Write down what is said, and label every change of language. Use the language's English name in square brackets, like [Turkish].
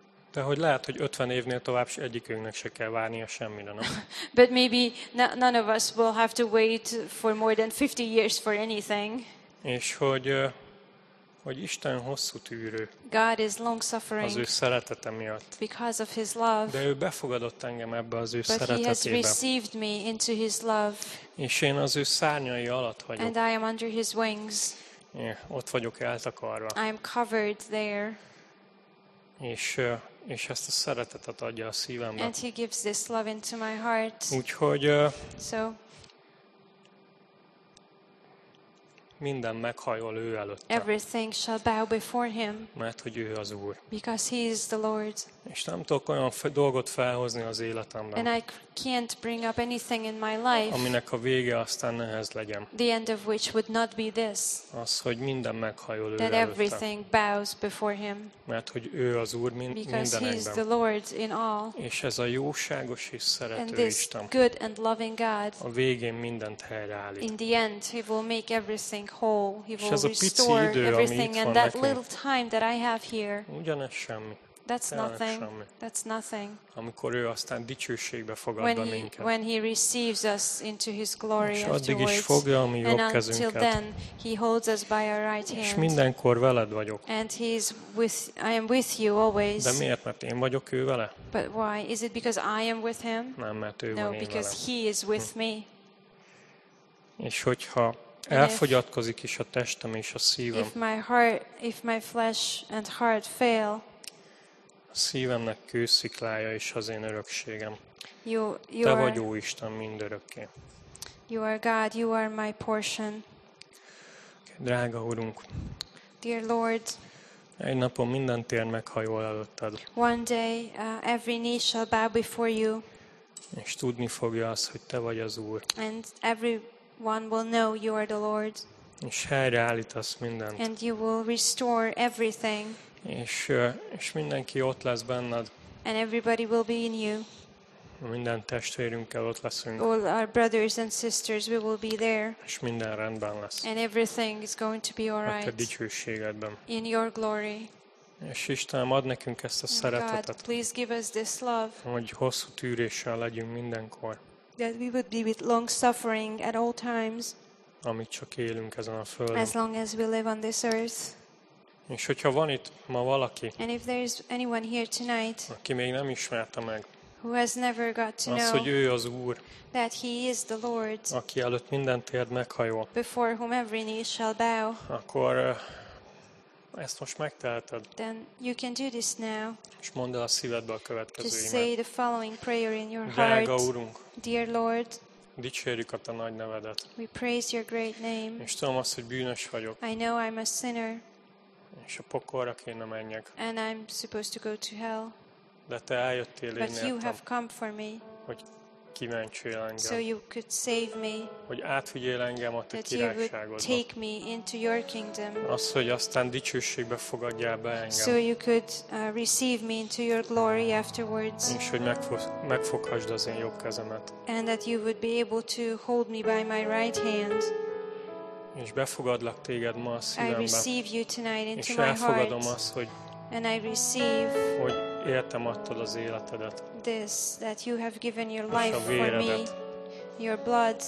[Hungarian] De hogy lehet, hogy 50 évnél tovább egyikünknek se kell várnia semmire, nem? [English] But maybe none of us will have to wait for more than 50 years for anything. [Hungarian] És hogy Isten hosszú tűrő. [English] God is long suffering. [Hungarian] Az ő szeretete miatt. [English] Because of his love. [Hungarian] De ő befogadott engem ebbe az ő [English] But [Hungarian] szeretetébe. [English] But he has received me into his love. [Hungarian] És én az ő szárnyai alatt vagyok. [English] And I am under his wings. [Hungarian] Ott vagyok eltakarva. [English] I am covered there. [Hungarian] És ezt a szeretetet adja a szívembe. [English] And he gives this love into my heart. [Hungarian] Úgyhogy [English] so, [Hungarian] minden meghajol ő előtte. [English] Everything shall bow before him. [Hungarian] Mert hogy ő az Úr. [English] Because he is the Lord. [Hungarian] És nem tudok olyan dolgot felhozni az életemben. [English] And I can't bring up anything in my life. [Hungarian] Aminek a vége aztán nehez legyen. [English] The end of which would not be this. [Hungarian] Az, hogy minden meghajol ő előtte. [English] That everything bows before him. [Hungarian] Mert hogy ő az Úr mindenekben. [English] Because he is the Lord in all. [Hungarian] És ez a jóságos és szerető [English] and this [Hungarian] Isten. [English] Good and loving God. [Hungarian] A végén mindent helyreállít. [English] In the end he will make everything whole. He will restore everything. [Hungarian] És ez a pici idő, ami itt van [English] and that [Hungarian] neki. [English] Little time that I have here. [Hungarian] Ugyanez semmi. [English] That's nothing. That's nothing. [Hungarian] Amikor ő aztán dicsőségbe fogad be minket. [English] When he receives us into his glory afterwards. [Hungarian] És addig is fogja a mi jobb kezünket. [English] Until then, he holds us by our right hand. [Hungarian] És mindenkor veled vagyok. [English] And he is with, I am with you always. [Hungarian] De miért? Mert én vagyok ő vele? [English] But why? Is it because I am with him? [Hungarian] Nem, mert ő van én vele. [English] No, because he is with me. [Hungarian] És hogyha elfogyatkozik is a testem és a szívem. [English] If my flesh and heart fail. [Hungarian] Szívemnek kősziklája és az én örökségem. [English] You [Hungarian] te vagy, ó Isten, mindörökké. [English] You are God, you are my portion. [Hungarian] Drága Urunk, [English] dear Lord, [Hungarian] egy napon minden tér meghajol előtted. [English] One day, every knee shall bow before you. [Hungarian] És tudni fogja azt, hogy te vagy az Úr. [English] And everyone will know you are the Lord. [Hungarian] És helyreállítasz mindent. [English] And you will restore everything. [Hungarian] És mindenki ott lesz benned. [English] And everybody will be in you. [Hungarian] Minden testvérünkkel ott leszünk. [English] All our brothers and sisters, we will be there. [Hungarian] És minden rendben lesz. [English] And everything is going to be all right. [Hungarian] A te dicsőségedben. [English] In your glory. [Hungarian] És Istenem, add nekünk ezt a szeretetet. [English] God, please give us this love. [Hungarian] Hogy hosszú tűréssel legyünk mindenkor. [English] That we would be with long suffering at all times. [Hungarian] Amit csak élünk ezen a földön. [English] As long as we live on this earth. [Hungarian] És hogyha van itt ma valaki, [English] and if there is anyone here tonight, [Hungarian] aki még nem ismerte meg, [English] who has never got to know, [Hungarian] az, hogy ő az Úr, [English] that he is the Lord, [Hungarian] aki előtt minden térd meghajol, [English] before whom every knee shall bow, [Hungarian] akkor ezt most megteheted. [English] Then you can do this now. [Hungarian] És mondd el a szívedbe a következő imát. [English] Just say the following prayer in your [Hungarian] drága [English] heart. [Hungarian] Drága Úrunk, [English] dear Lord, [Hungarian] dicsérjük a te nagy nevedet. [English] We praise your great name. [Hungarian] És tudom azt, hogy bűnös vagyok. [English] I know I'm a sinner. [Hungarian] És a pokolra kéne menjek. [English] And I'm supposed to go to hell. [Hungarian] De te eljöttél én értem, hogy kimentsél engem. [English] So you could save me. [Hungarian] Hogy átvigyél engem a te királyságodba. [English] Take me into your kingdom. [Hungarian] Az, hogy aztán dicsőségbe fogadjál be engem. [English] So you could receive me into your glory afterwards. [Hungarian] És hogy megfoghasd az én jobb kezemet. [English] And that you would be able to hold me by my right hand. [Hungarian] És befogadlak téged ma a szívembe. [English] I receive you tonight into my heart. [Hungarian] És elfogadom azt, hogy [English] and I receive [Hungarian] hogy értem adtad az életedet. [English] This, that you have given your life for me, your blood,